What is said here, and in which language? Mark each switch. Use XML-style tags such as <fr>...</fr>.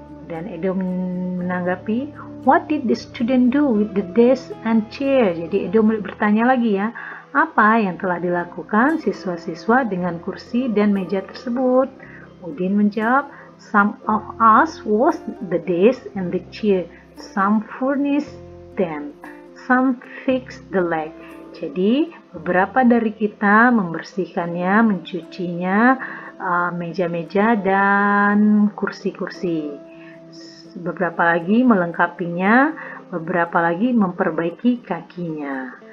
<id>Dan Edo menanggapi,</id> <en>what did the student do with the desk and chair?</en> <id>Jadi Edo bertanya lagi ya, apa yang telah dilakukan siswa-siswa dengan kursi dan meja tersebut? Udin menjawab,</id> <en>some of us washed the desk and the chair, some furnished them, some fixed the leg.</en> <id>Jadi beberapa dari kita membersihkannya, mencucinya, meja-meja dan kursi-kursi. Beberapa lagi melengkapinya, beberapa lagi memperbaiki kakinya.</id>